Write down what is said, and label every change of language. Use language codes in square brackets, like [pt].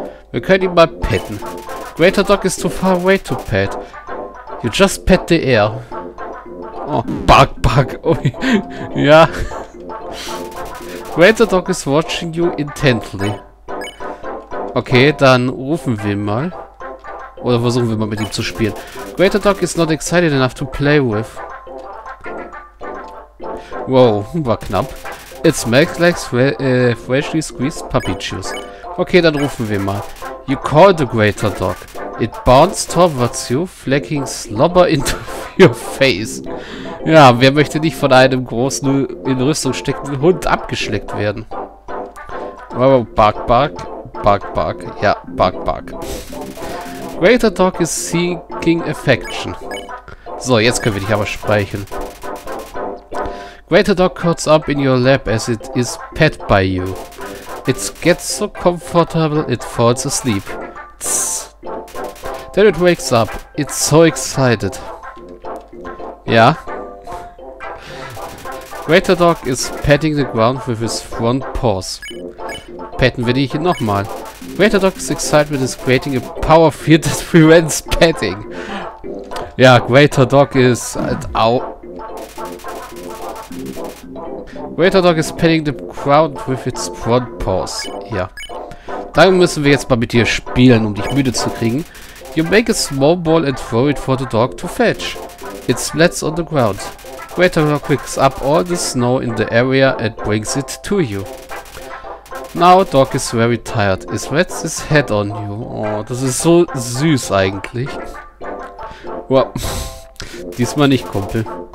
[de] Wir können ihn mal petten. [en] Greater Dog is too far away to pet. You just pet the air. Oh, bug, bug. Oh, ja. Greater Dog is watching you intently. [de] Okay, dann rufen wir ihn mal. Oder versuchen wir mal mit ihm zu spielen. [en] Greater Dog is not excited enough to play with. [de] Wow, war knapp. [en] It smells like freshly squeezed puppy juice. [de] Okay, dann rufen wir mal. [en] You call the Greater Dog. It bounced towards you, flecking slobber into your face. [de] Ja, wer möchte nicht von einem großen, in Rüstung steckenden Hund abgeschleckt werden? [en] Wow, bark, bark. Bark, bark. Ja, bark, bark. Greater Dog is seeking affection. [de] So, jetzt können wir dich aber sprechen. [en] Greater Dog curls up in your lap as it is pet by you. It gets so comfortable it falls asleep. Tss. Then it wakes up. It's so excited. Ja. Greater Dog is patting the ground with his front paws. [de] Petten wir dich nochmal. [en] Greater Dog's excitement is creating a power field that prevents petting. Ja, Greater Dog is halt au. Greater Dog is petting the ground with its front paws. [de] Ja. Dann müssen wir jetzt mal mit dir spielen, um dich müde zu kriegen. [en] You make a small ball and throw it for the dog to fetch. It splats on the ground. Greater Dog picks up all the snow in the area and brings it to you. Now dog is very tired. It rests his head on you. [de] Oh, das ist so süß eigentlich. Wow. Diesmal nicht, Kumpel.